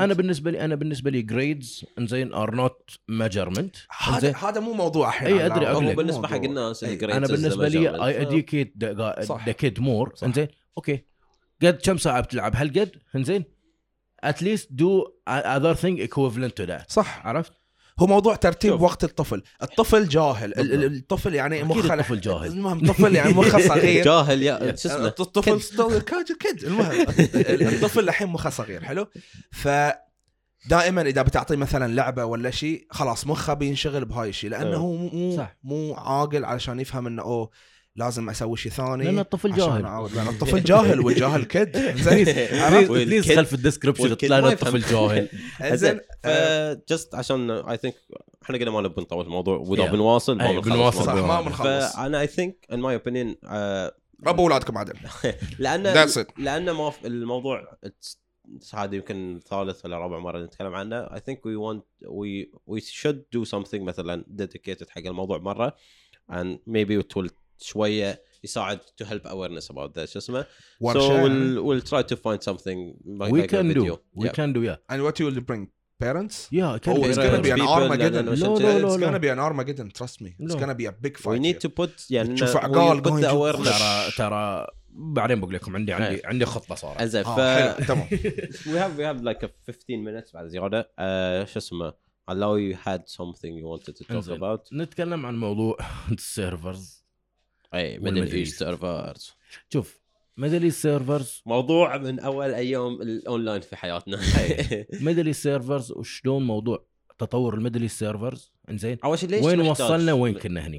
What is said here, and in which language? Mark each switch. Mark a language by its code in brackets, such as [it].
[ar] أنا بالنسبة لي grades إنزين [en] are not measurement. [ar] هذا مو موضوع أحيانا. أي أدري أقولك. بالنسبة حق الناس [en] grades. [ar] أنا بالنسبة لي [en] I educate the kid more. [ar] إنزين okay. قد كم ساعة بتلعب هل قد إنزين [en] at least do other thing equivalent to that. [ar] صح. عرفت. هو موضوع ترتيب وقت الطفل. الطفل جاهل. الطفل يعني مخه. الطفل جاهل. المهم الطفل يعني مخه صغير. جاهل يا. الطفل كد. المهم الطفل الحين مخه صغير حلو. فدائما إذا بتعطي مثلا لعبة ولا شيء خلاص مخه بينشغل بهاي الشيء لأنه مو عاقل علشان يفهم إنه أو لازم أسوي شيء ثاني. لأن الطفل جاهل. لأن الطفل جاهل والجاهل كد. زين. خلف الديسكريبشن طلعنا الطفل جاهل. زين. Just عشان [en] I think [ar] إحنا قلنا ما نبي نطول الموضوع وإذا بنواصل. بنواصل. صح ما بنخلص. [en] أنا I think in my opinion. [ar] ربوا أولادكم عدل. لأن. [en] That's it. [ar] لأن ما الموضوع هذا يمكن ثالث ولا رابع مرة نتكلم عنه. [en] I think we want we should do something مثلاً dedicated [ar] حق الموضوع مرة [en] and maybe it will [ar] شويه يساعد [en] to help awareness about this [ar] شو اسمه [en] so we'll try to find something like we can video. Do we yep. can do yeah and what you will bring parents yeah can oh, it's gonna be an Armageddon it's gonna be an Armageddon trust me it's gonna be a big fight we need to put يعني [ar] شوف عقال قاعد ترى بعدين بقول لكم عندي خطه صراحه انزين تمام [en] we have like a 15 minutes [ar] بعد زيادة شو اسمه [en] allow you had something you wanted to talk about [ar] نتكلم عن موضوع السيرفرز اي ميدل ايست سيرفرز شوف ميدل ايست سيرفرز موضوع من اول ايام الاونلاين في حياتنا ميدل ايست سيرفرز وشلون موضوع تطور الميدل ايست سيرفرز انزين اول شيء ليش وين وصلنا وين كنا هني